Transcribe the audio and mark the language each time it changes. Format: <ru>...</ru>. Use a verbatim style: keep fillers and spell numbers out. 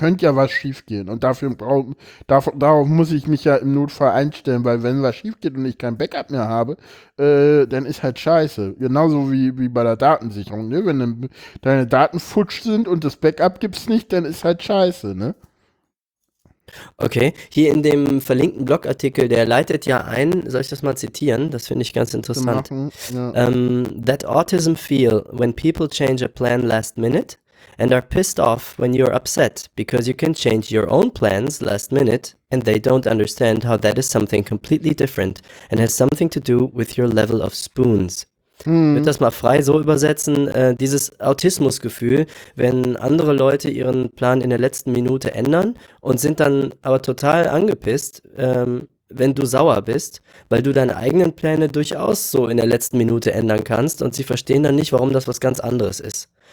<de>könnte ja was schief gehen und dafür brauch, darf, darauf muss ich mich ja im Notfall einstellen, weil wenn was schief geht und ich kein Backup mehr habe, äh, dann ist halt scheiße. Genauso wie, wie bei der Datensicherung, ne? Wenn dann deine Daten futsch sind und das Backup gibt's nicht, dann ist halt scheiße, ne? Okay, hier in dem verlinkten Blogartikel, der leitet ja ein, soll ich das mal zitieren? Das finde ich ganz zu interessant. machen. Ja.</de> <en>Um, that autism feel when people change a plan last minute and are pissed off when you're upset because you can change your own plans last minute and they don't understand how that is something completely different and has something to do with your level of spoons.</en> <de>Ich würde Hm. das mal frei so übersetzen, äh, dieses Autismusgefühl, wenn andere Leute ihren Plan in der letzten Minute ändern und sind dann aber total angepisst, ähm, wenn du sauer bist, weil du deine eigenen Pläne durchaus so in der letzten Minute ändern kannst und sie verstehen dann nicht, warum das was ganz anderes ist.</de>